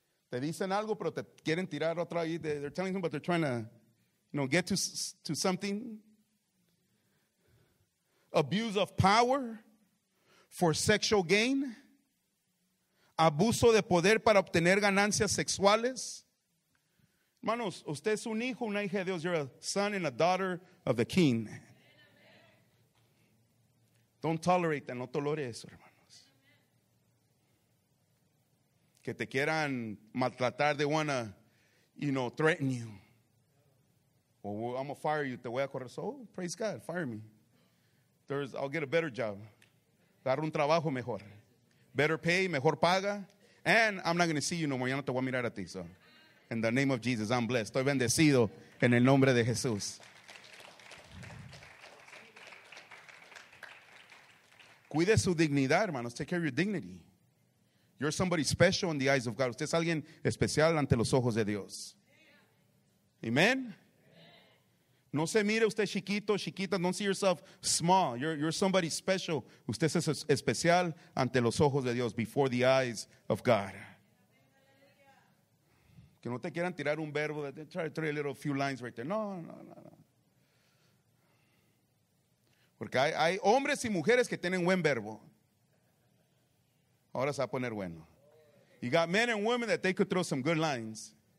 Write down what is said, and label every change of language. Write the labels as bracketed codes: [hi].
[es] Te dicen algo, pero te quieren tirar otra vez. [en] They're telling them, but they're trying to, you know, get to something. Abuse of power for sexual gain. [es] Abuso de poder para obtener ganancias sexuales. Hermanos, usted es un hijo, una hija de Dios. [en] You're a son and a daughter of the King. Don't tolerate that. [es] No tolere eso, hermanos. Que te quieran maltratar. [en] They want to, you know, threaten you. Well, I'm going to fire you. [es] Te voy a correr. [en] So, praise God, fire me. I'll get a better job. [es] Dar un trabajo mejor. [en] Better pay, [es] mejor paga. [en] And I'm not going to see you no more. [es] Ya no te voy a mirar a ti. [en] So, in the name of Jesus, I'm blessed. [es] Estoy bendecido en el nombre de Jesús. Cuide su dignidad, hermanos. [en] Take care of your dignity. You're somebody special in the eyes of God. [es] Usted es alguien especial ante los ojos de Dios. Amen. No se mire usted chiquito, chiquita. [en] Don't see yourself small. You're somebody special. [es] Usted es especial ante los ojos de Dios, [en] before the eyes of God. [es] Que no te quieran tirar un verbo. [en] Try to throw a little few lines right there. [es] No. Porque hay hombres y mujeres que tienen buen verbo. Ahora se va a poner bueno. [en] You got men and women that they could throw some good lines.